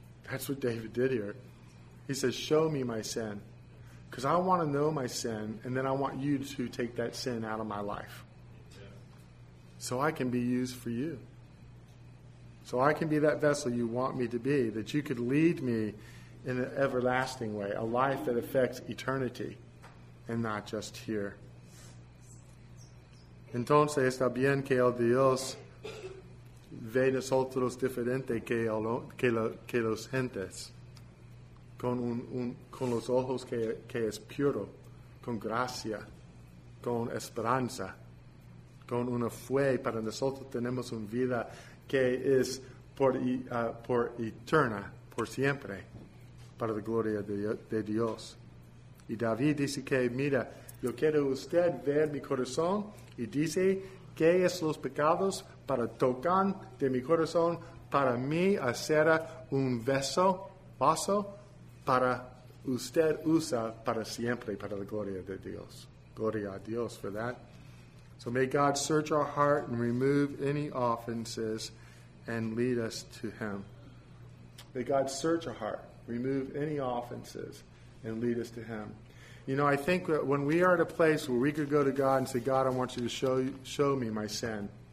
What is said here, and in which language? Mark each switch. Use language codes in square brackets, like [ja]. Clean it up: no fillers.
[en] That's what David did here. He says, "Show me my sin, because I want to know my sin, and then I want you to take that sin out of my life so I can be used for you. So I can be that vessel you want me to be, that you could lead me in an everlasting way, a life that affects eternity and not just here." [es] Entonces está bien que el Dios ve nosotros diferente que los gentes. Con los ojos que es puro, con gracia, con esperanza, con una fe, para nosotros tenemos una vida que es por eterna, por siempre, para la gloria de Dios. Y David dice que, mira, yo quiero usted ver mi corazón, y dice que es los pecados para tocar de mi corazón, para mí hacer un vaso, para usted usa para siempre, para la gloria de Dios. Gloria a Dios [en] for that. So may God search our heart and remove any offenses and lead us to him. May God search our heart, remove any offenses, and lead us to him. You know, I think that when we are at a place where we could go to God and say, "God, I want you to show me my sin."